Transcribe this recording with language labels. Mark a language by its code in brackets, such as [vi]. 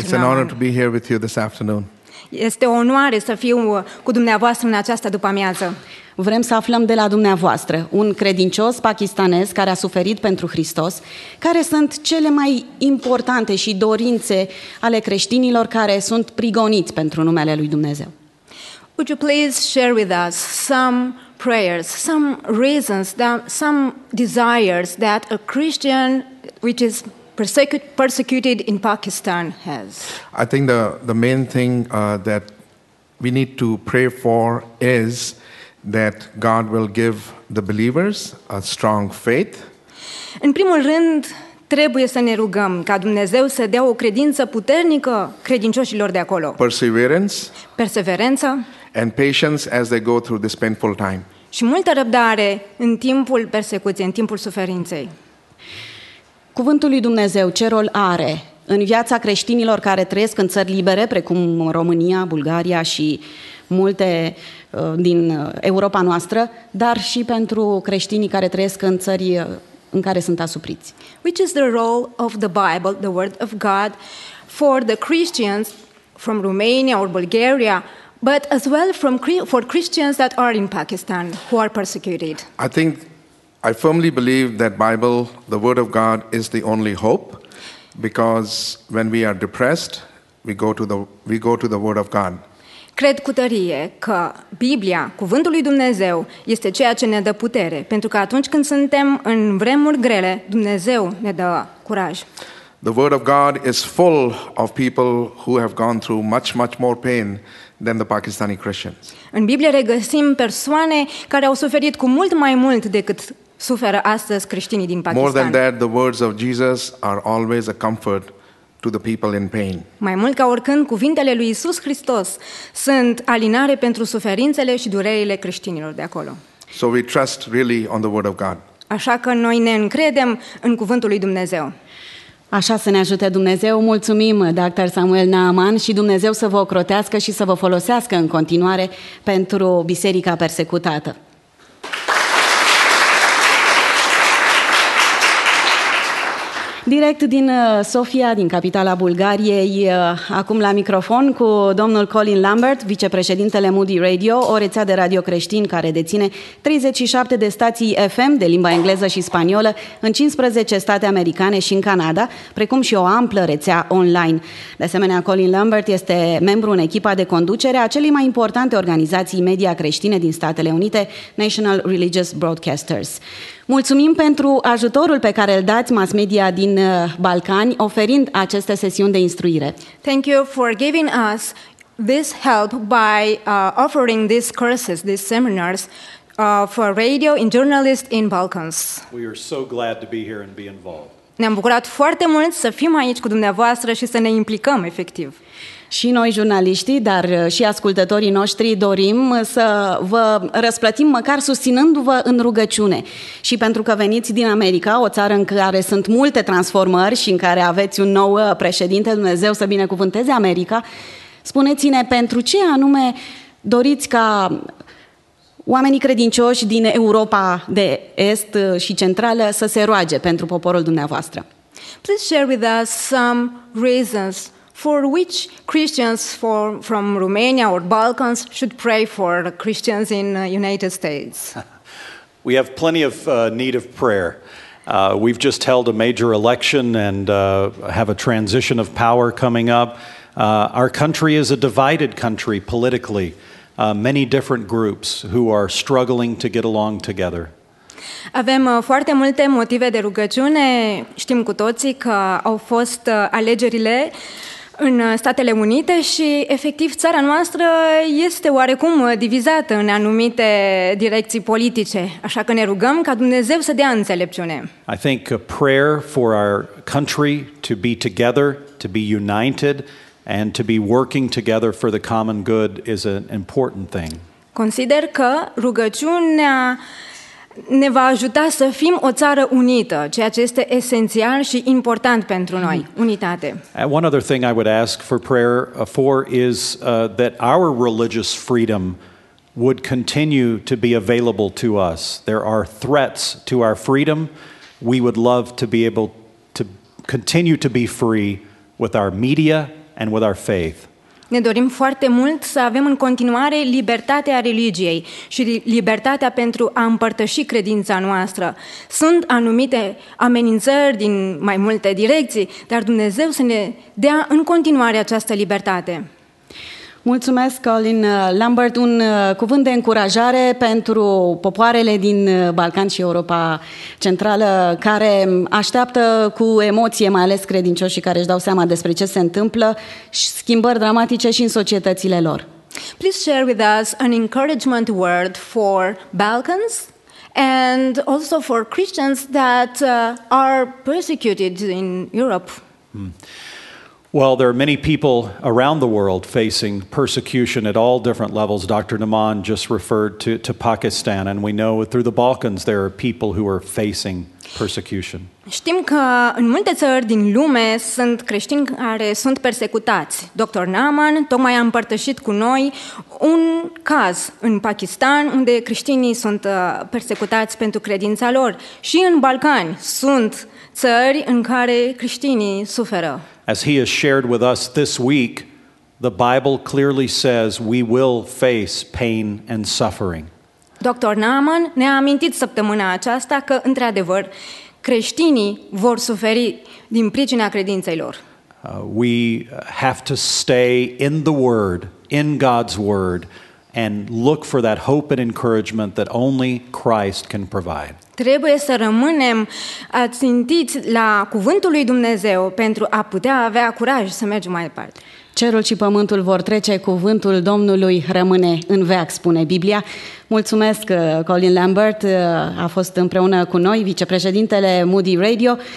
[en] It's an honor to be here with you this afternoon. [ro] Este o onoare să fiu cu dumneavoastră în această după-amiază. Vrem să aflăm de la dumneavoastră, un credincios pakistanez care a suferit pentru Hristos, care sunt cele mai importante și dorințe ale creștinilor care sunt prigoniți pentru numele lui Dumnezeu. [en] Would you please share with us some prayers, some reasons, that, some desires that a Christian which is persecuted in Pakistan has? I think the main thing that we need to pray for is that God will give the believers a strong faith. [ro] În primul rând, trebuie să ne rugăm ca Dumnezeu să dea o credință puternică credincioșilor de acolo. [en] Perseverance. [ro] Perseverență. [en] And patience as they go through this painful time. [ro] Și multă răbdare în timpul persecuției, în timpul suferinței. Cuvântul lui Dumnezeu, ce rol are în viața creștinilor care trăiesc în țări libere, precum România, Bulgaria și multe din Europa noastră, dar și pentru creștinii care trăiesc în țări în care sunt asupriți. [en] Which is the role of the Bible, the Word of God, for the Christians from Romania or Bulgaria, but as well for Christians that are in Pakistan, who are persecuted? I firmly believe that Bible, the Word of God, is the only hope, because when we are depressed, we go to the Word of God. [ro] Cred cu tărie că Biblia, cuvântul lui Dumnezeu, este ceea ce ne dă putere, pentru că atunci când suntem în vremuri grele, Dumnezeu ne dă curaj. [en] The Word of God is full of people who have gone through much, much more pain than the Pakistani Christians. [ro] În Biblie regăsim persoane care au suferit cu mult mai mult decât suferă astăzi creștinii din Pakistan. [en] More than that, the words of Jesus are always a comfort to the people in pain. [ro] Mai mult ca oricând, cuvintele lui Iisus Hristos sunt alinare pentru suferințele și durerile creștinilor de acolo. [en] So we trust really on the Word of God. [ro] Așa că noi ne încredem în cuvântul lui Dumnezeu. Așa să ne ajute Dumnezeu. Mulțumim, Dr. Samuel Naaman, și Dumnezeu să vă ocrotească și să vă folosească în continuare pentru biserica persecutată. Direct din Sofia, din capitala Bulgariei, acum la microfon cu domnul Colin Lambert, vicepreședintele Moody Radio, o rețea de radio creștin care deține 37 de stații FM de limba engleză și spaniolă în 15 state americane și în Canada, precum și o amplă rețea online. De asemenea, Colin Lambert este membru în echipa de conducere a celei mai importante organizații media creștine din Statele Unite, National Religious Broadcasters. Mulțumim pentru ajutorul pe care îl dați mass media din Balcani, oferind aceste sesiuni de instruire. [en] Thank you for giving us this help by offering these courses, these seminars for radio and journalists in Balkans. We are so glad to be here and be involved. [ro] Ne-am bucurat foarte mult să fim aici cu dumneavoastră și să ne implicăm efectiv. Și noi jurnaliștii, dar și ascultătorii noștri dorim să vă răsplătim măcar susținându-vă în rugăciune. Și pentru că veniți din America, o țară în care sunt multe transformări și în care aveți un nou președinte, Dumnezeu să binecuvânteze America, spuneți-ne pentru ce anume doriți ca oamenii credincioși din Europa de Est și Centrală să se roage pentru poporul dumneavoastră. [en] Please share with us some reasons for which Christians from Romania or Balkans should pray for Christians in the United States. We have plenty of need of prayer. We've just held a major election and have a transition of power coming up. Our country is a divided country politically. Many different groups who are struggling to get along together. [ro] Avem foarte multe motive de rugăciune. Știm cu toții că au fost alegerile în Statele Unite și efectiv țara noastră este oarecum divizată în anumite direcții politice. Așa că ne rugăm ca Dumnezeu să dea înțelepciune. [en] I think a prayer for our country to be together, to be united and to be working together for the common good is an important thing. [ro] Consider că rugăciunea ne va ajuta să fim o țară unită, ceea ce este esențial și important pentru noi, unitate. [en] One other thing I would ask for prayer for is that our religious freedom would continue to be available to us. There are threats to our freedom. We would love to be able to continue to be free with our media and with our faith. [ro] Ne dorim foarte mult să avem în continuare libertatea religiei și libertatea pentru a împărtăși credința noastră. Sunt anumite amenințări din mai multe direcții, dar Dumnezeu să ne dea în continuare această libertate. Mulțumesc, Colin Lambert, un cuvânt de încurajare pentru popoarele din Balcan și Europa Centrală care așteaptă cu emoție, mai ales credincioșii care își dau seama despre ce se întâmplă și schimbări dramatice și în societățile lor. [en] Please share with us an encouragement word for Balkans and also for Christians that are persecuted in Europe. Well, there are many people around the world facing persecution at all different levels. Dr. Naman just referred to Pakistan, and we know through the Balkans there are people who are facing persecution. [ro] Știm că în multe țări din lume sunt creștini care sunt persecutați. Dr. Naman tocmai a împărtășit cu noi un caz în Pakistan, unde creștinii sunt persecutați pentru credința lor. Și în Balcani sunt țări în care creștinii suferă. [en] As he has shared with us this week, the Bible clearly says we will face pain and suffering. [ro] Dr. Naaman ne-a amintit săptămâna aceasta că, într-adevăr, creștinii vor suferi din pricina credinței lor. [en] We have to stay in the Word, in God's Word, and look for that hope and encouragement that only Christ can provide. [ro] Trebuie să rămânem ațintiți la cuvântul lui Dumnezeu pentru a putea avea curaj să mergem mai departe. Cerul și pământul vor trece, cuvântul Domnului rămâne în veac, spune Biblia. Mulțumesc, Colin Lambert, a fost împreună cu noi, vicepreședintele Moody Radio.